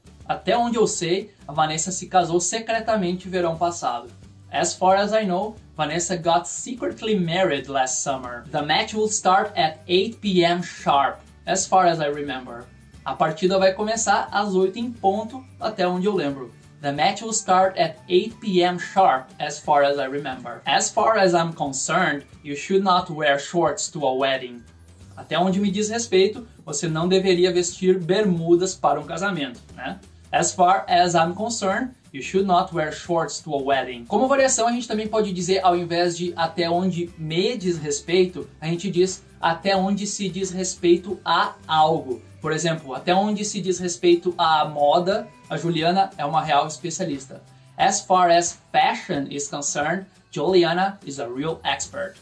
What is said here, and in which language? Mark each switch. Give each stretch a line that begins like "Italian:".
Portuguese: Até onde eu sei, a Vanessa se casou secretamente verão passado.
English: As far as I know, Vanessa got secretly married last summer. The match will start at 8 p.m. sharp, as far as I remember.
Portuguese: A partida vai começar às 8 em ponto, até onde eu lembro.
English: The match will start at 8 p.m. sharp, as far as I remember. As far as I'm concerned, you should not wear shorts to a wedding.
Portuguese: Até onde me diz respeito, você não deveria vestir bermudas para um casamento, né?
English: As far as I'm concerned, you should not wear shorts to a wedding.
Portuguese: Como variação, a gente também pode dizer, ao invés de até onde me diz respeito, a gente diz até onde se diz respeito a algo. Por exemplo, até onde se diz respeito à moda, a Juliana é uma real especialista.
English: As far as fashion is concerned, Juliana is a real expert.